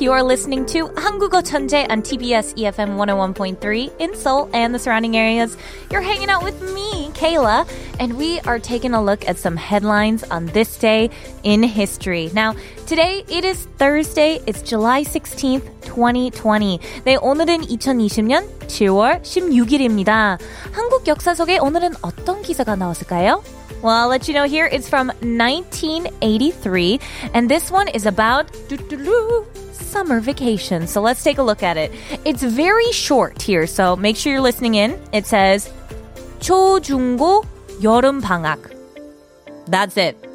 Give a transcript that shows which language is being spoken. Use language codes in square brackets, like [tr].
[en] You are listening to 한국어 천재 on TBS EFM 101.3 in Seoul and the surrounding areas. You're hanging out with me, Kayla, and we are taking a look at some headlines on this day in history. Now, today it is Thursday. It's July 16th, 2020. [ko] 네, 오늘은 2020년 7월 16일입니다. 한국 역사 속에 오늘은 어떤 기사가 나왔을까요? [en] Well, I'll let you know here. It's from 1983, and this one is about summer vacation. So let's take a look at it. It's very short here, so make sure you're listening in. It says, [ko] 초중고 여름방학. [en] That's it.